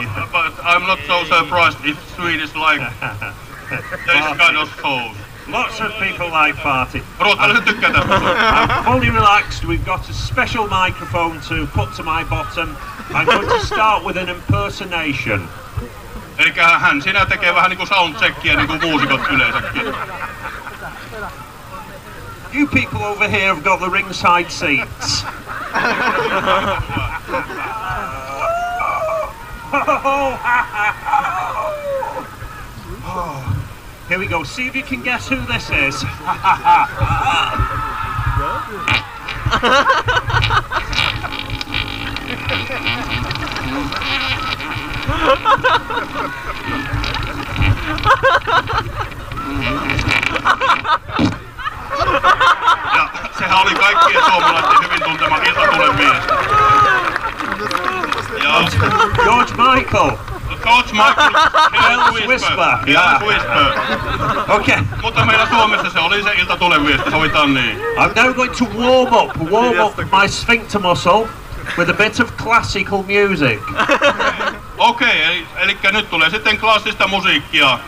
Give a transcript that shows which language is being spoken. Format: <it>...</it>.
<en>But I'm not so surprised if Swedish like this kind of food. Lots of people like party.</en> <fi>Ruotsalaiset tykkää tästä.</fi> <en>I'm fully relaxed. We've got a special microphone to put to my bottom. I'm going to start with an impersonation.</en> <fi>Elikkä hän sinä tekee vähän niinku soundcheckia niinku muusikot yleensäkin.</fi> <en>You people over here have got the ringside seats. Here we go. See if you can guess who this is.</en> <fi>Ja sehän oli kaikkien suomalaisten hyvin tuntema iltatulen mies. Ja George Michael.</fi> <en>George Michael. Hell's Whisper. Yeah. Whisper. Okay.</en> <fi>Mutta meillä Suomessa se oli se iltatulen mies, sovitaan niin.</fi> <en>I'm now going to warm up my sphincter muscle with a bit of classical music.</en> <fi>Okay, elikkä nyt tulee sitten klassista musiikkia.</fi>